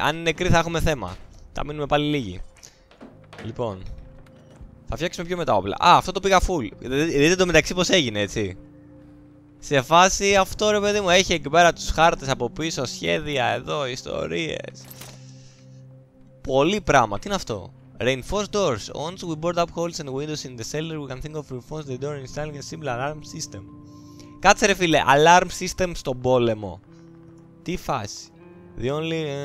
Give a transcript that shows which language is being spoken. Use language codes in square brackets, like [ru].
[el] Αν είναι νεκρή θα έχουμε θέμα. Θα μείνουμε πάλι λίγοι. Λοιπόν, θα φτιάξουμε πιο με τα όπλα. Α, αυτό το πήγα full. Δείτε το μεταξύ πως έγινε, έτσι. Σε φάση αυτό ρε παιδί μου, έχει εκεί πέρα τους χάρτες από πίσω, σχέδια εδώ, ιστορίες. Πολύ πράγμα, τι είναι αυτό. [en] Reinforced doors. Once we board up holes and windows in the cellar, we can think of reinforcing the door and installing a simple alarm system. [el] Κάτσε ρε φίλε, alarm system στον πόλεμο. Τι φάση. The only...